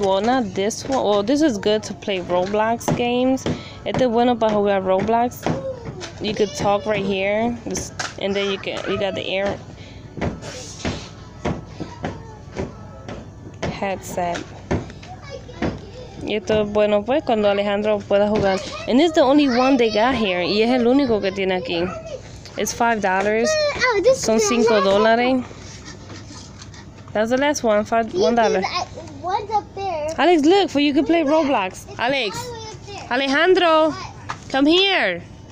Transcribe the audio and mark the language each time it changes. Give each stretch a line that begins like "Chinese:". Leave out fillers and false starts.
English: Well, not this one. Well, this is good to play Roblox games.
Spanish: Este bueno para jugar Roblox.
English: You could talk right here, and then you got the air headset.
Spanish: Y esto es bueno pues cuando Alejandro pueda jugar.
English: And it's the only one they got here.
Spanish: Y es el único que tiene aquí.
English: It's $5.
Spanish: Oh, son $5.
English: That was the last one, $1. One's up there. Alex, look, for you can play Roblox. It's Alex. Alejandro, come here.